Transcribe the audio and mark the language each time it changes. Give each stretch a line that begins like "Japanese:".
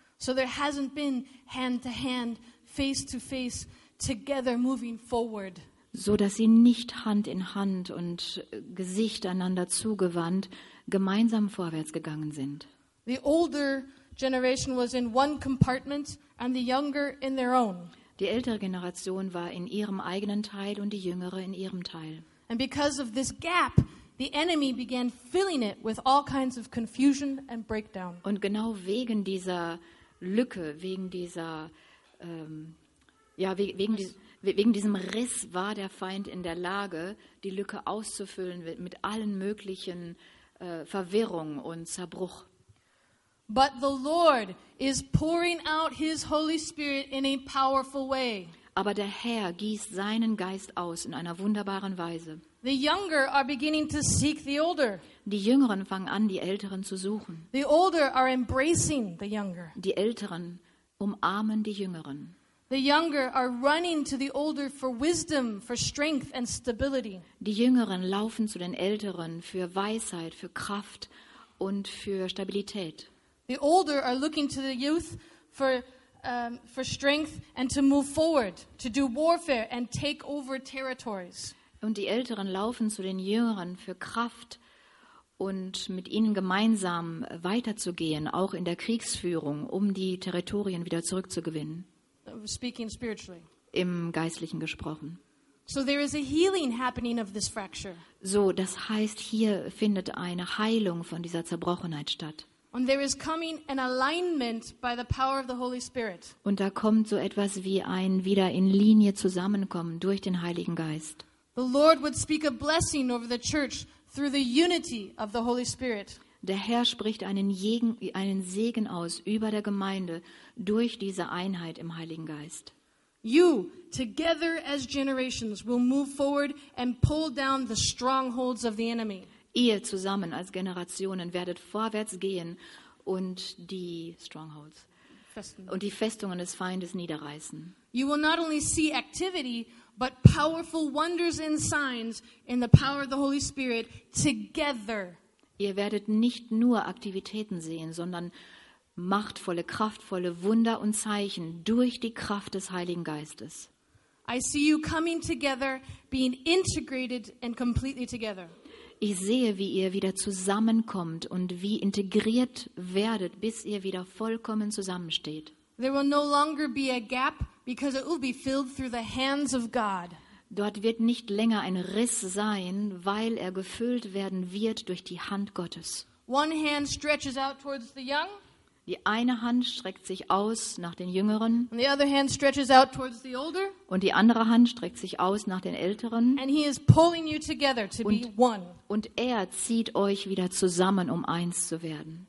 English: So there hasn't been hand to hand, face to face, together moving forward.
German: So dass sie nicht Hand in Hand und Gesicht einander zugewandt gemeinsam vorwärts gegangen sind.
English: The older generation was in one compartment and the younger in their own.
German: Die ältere Generation war in ihrem eigenen Teil und die jüngere in ihrem Teil.
English: And because of this gap, the enemy began filling it with all kinds of confusion and breakdown.
German: Und genau wegen dieser Lücke, wegen diesem Riss war der Feind in der Lage, die Lücke auszufüllen mit allen möglichen Verwirrung und Zerbruch.
English: But the Lord is pouring out his Holy Spirit in a powerful way.
German: Aber der Herr gießt seinen Geist aus in einer wunderbaren Weise.
English: The younger are beginning to seek the older.
German: Die Jüngeren fangen an, die Älteren zu suchen.
English: The older are embracing the younger.
German: Die Älteren umarmen die Jüngeren.
English: The younger are running to the older for wisdom, for strength and stability.
German: Die Jüngeren laufen zu den Älteren für Weisheit, für Kraft und für Stabilität.
English: The older are looking to the youth for strength and to move forward, to do warfare and take over territories.
German: Und die Älteren laufen zu den Jüngeren für Kraft und mit ihnen gemeinsam weiterzugehen, auch in der Kriegsführung, um die Territorien wieder zurückzugewinnen.
English: Speaking spiritually.
German: Im Geistlichen gesprochen.
English: So there is a healing happening of this fracture.
German: So, das heißt, hier findet eine Heilung von dieser Zerbrochenheit statt.
English: And there is coming an alignment by the power of the Holy Spirit.
German: Und da kommt so etwas wie ein wieder in Linie zusammenkommen durch den Heiligen Geist.
English: The Lord would speak a blessing over the church through the unity of the Holy Spirit.
German: Der Herr spricht einen Segen aus über der Gemeinde durch diese Einheit im Heiligen Geist.
English: You together as generations will move forward and pull down the strongholds of the enemy.
German: Ihr zusammen als Generationen werdet vorwärts gehen und die Strongholds und die Festungen des Feindes niederreißen.
English: You will not only see activity but powerful wonders and signs in the power of the Holy Spirit together.
German: Ihr werdet nicht nur Aktivitäten sehen, sondern machtvolle, kraftvolle Wunder und Zeichen durch die Kraft des Heiligen Geistes.
English: I see you coming together, being integrated and completely together.
German: Ich sehe, wie ihr wieder zusammenkommt und wie integriert werdet, bis ihr wieder vollkommen zusammensteht.
English: There will no longer be a gap because it will be filled through the hands of God.
German: Dort wird nicht länger ein Riss sein, weil er gefüllt werden wird durch die Hand Gottes.
English: One hand stretches out towards the young.
German: Die eine Hand streckt sich aus nach den Jüngeren.
English: And the other hand stretches out towards the older.
German: Und die andere Hand streckt sich aus nach den Älteren.
English: And he is pulling you together to be one.
German: Und er zieht euch wieder zusammen, um eins zu werden.